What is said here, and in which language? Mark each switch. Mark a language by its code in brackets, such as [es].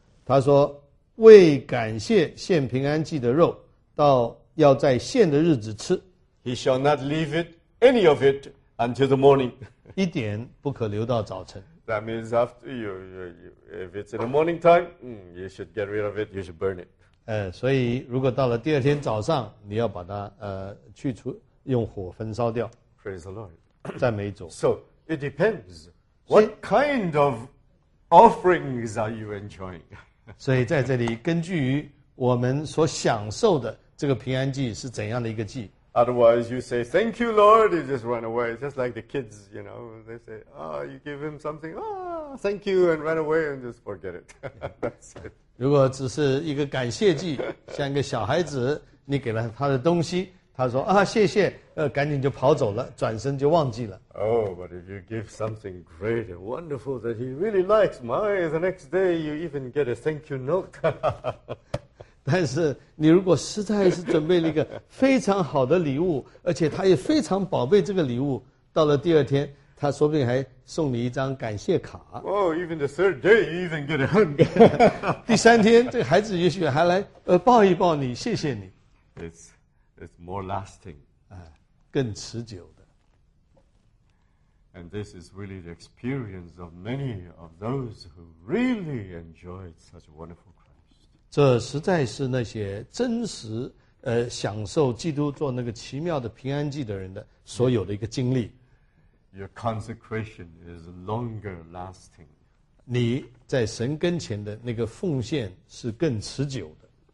[zh] 他说，为感谢献平安祭的肉，到要在献的日子吃。 [en] He shall not leave it, any of it. Until the morning. [zh] 一点不可留到早晨。 [en] That means after you, if it's in the morning time, you should get rid of it, you should burn it. [zh] 所以如果到了第二天早上，你要把它去除，用火焚烧掉。 [en] Praise the Lord. [zh] 赞美主。 [en] So, it depends. What kind of offerings are you enjoying? [zh] 所以在这里，根据于我们所享受的这个平安祭是怎样的一个祭。 [en] Otherwise, you say, thank you, Lord, you just run away. Just like the kids, you know, they say, oh, you give him something, oh, thank you, and run away and just forget it. That's it. [zh] 如果只是一个感谢祭，像一个小孩子，你给了他的东西，他说啊，谢谢，赶紧就跑走了，转身就忘记了。 [en] Oh, but if you give something great and wonderful that he really likes, my, the next day you even get a thank you note. [zh] 但是你如果实在是准备了一个非常好的礼物，而且他也非常宝贝这个礼物，到了第二天，他说不定还送你一张感谢卡。 [en] Oh, even the third day, you even get a hug. [zh] 第三天，这个孩子也许还来抱一抱你，谢谢你。 [en] It's more lasting. [zh] 更持久的。 [en] And this is really the experience of many of those who really enjoyed such a wonderful. [zh] 这实在是那些真实享受基督做那个奇妙的平安祭的人的所有的一个经历。 [en] Your consecration is longer lasting. [zh] 你在神跟前的那个奉献是更持久的。